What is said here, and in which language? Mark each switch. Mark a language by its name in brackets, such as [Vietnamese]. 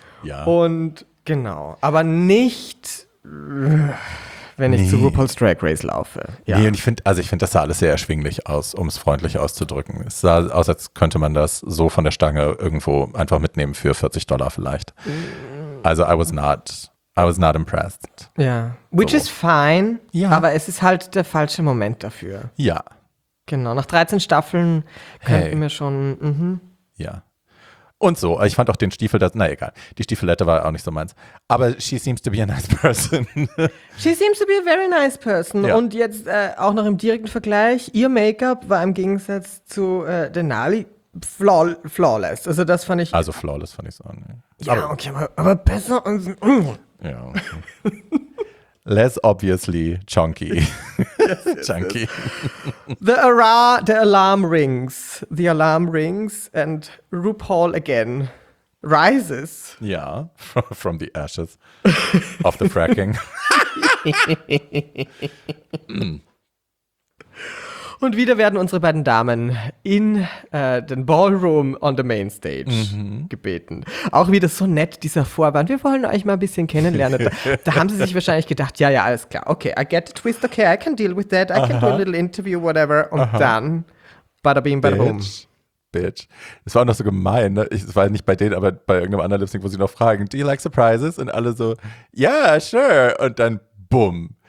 [German] Ja. Und genau, aber nicht, wenn ich zu RuPaul's Drag Race laufe. Ja. Nee, und ich finde, das sah alles sehr erschwinglich aus, um es freundlich auszudrücken. Es sah aus, als könnte man das so von der Stange irgendwo einfach mitnehmen für $40 vielleicht. [English] Also I was not impressed. Ja, which so is fine, [German] ja. Aber es ist halt der falsche Moment dafür. Ja. Genau, nach 13 Staffeln könnten wir schon, Ja. Und so, ich fand auch den Stiefel, die Stiefelette war auch nicht so meins. [English] Aber she seems to be a nice person. She seems to be a very nice person. [German] Ja. Und jetzt auch noch im direkten Vergleich, ihr Make-up war im Gegensatz zu Denali flawless. Also das fand ich... Also flawless fand ich so. Ne. Ja, aber, okay, aber besser als... [English] Ja, okay. Less obviously chunky. Yes, yes, chunky. The alarm rings. The alarm rings and RuPaul again rises. Yeah, from the ashes of the fracking. [German] Und wieder werden unsere beiden Damen in den Ballroom [English] on the Main Stage [German] gebeten. Auch wieder so nett, dieser Vorwand. Wir wollen euch mal ein bisschen kennenlernen. Da haben sie sich wahrscheinlich gedacht, ja, alles klar. [English] Okay, I get the twist, okay, I can deal with that. I can do a little interview, whatever. [German] Und dann, bada bim, bada boom. [English] Bitch. [German] Es war auch noch so gemein, ne? Es war nicht bei denen, aber bei irgendeinem anderen Lip-Sync, wo sie noch fragen, [English] do you like surprises? [German] Und alle so, [English] yeah, sure. [German] Und dann, boom.